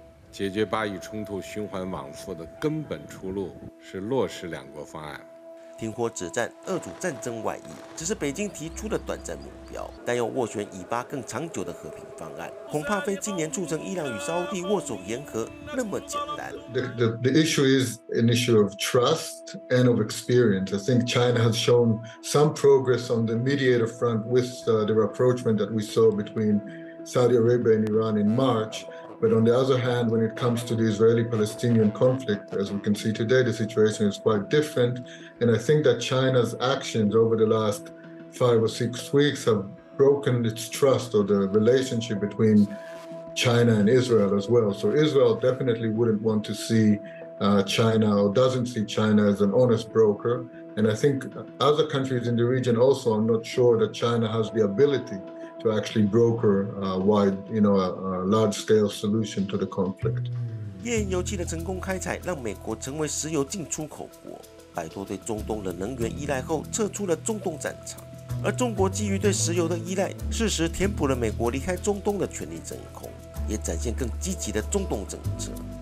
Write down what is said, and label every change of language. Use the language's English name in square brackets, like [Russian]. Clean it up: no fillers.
[Chinese] 解决巴以冲突循环往复的根本出路是落实两国方案。停火止战、遏阻战争外溢，只是北京提出的短暂目标。但要斡旋以巴更长久的和平方案，恐怕非今年促成伊朗与沙特握手言和那么简单。 [English] The issue is an issue of trust and of experience. I think China has shown some progress on the mediator front with the rapprochement that we saw between Saudi Arabia and Iran in March. But on the other hand, when it comes to the Israeli-Palestinian conflict, as we can see today, the situation is quite different. And I think that China's actions over the last 5 or 6 weeks have broken its trust or the relationship between China and Israel as well. So Israel definitely wouldn't want to see China or doesn't see China as an honest broker. And I think other countries in the region also are not sure that China has the ability. To actually broker large-scale solution to the conflict. [Chinese] 页岩油气的成功开采，让美国成为石油净出口国，摆脱对中东的能源依赖后，撤出了中东战场。而中国基于对石油的依赖，适时填补了美国离开中东的权力真空，也展现更积极的中东政策。